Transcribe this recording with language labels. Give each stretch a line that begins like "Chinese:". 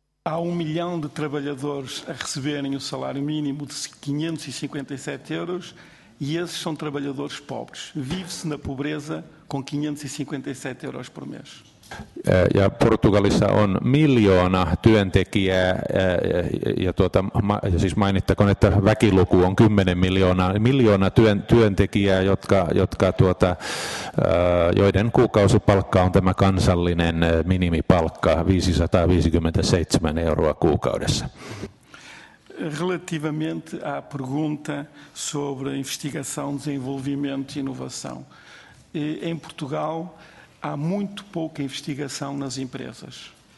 Portuguese: Há 1 milhão de trabalhadores a receberem o salário mínimo de 557 euros e esses são trabalhadores pobres. Vive-se na pobreza com 557 euros por mês.
Finnish: Ja Portugalissa on miljoona työntekijää, ja tuota, siis mainittakoon, että väkiluku on 10 miljoonaa, miljoona työntekijää, jotka tuota, joiden kuukausipalkka on tämä kansallinen minimipalkka, 557 euroa kuukaudessa.
Portuguese: Relativamente à pergunta sobre investigação, desenvolvimento e inovação. Em Portugal há muito pouca investigação nas empresas.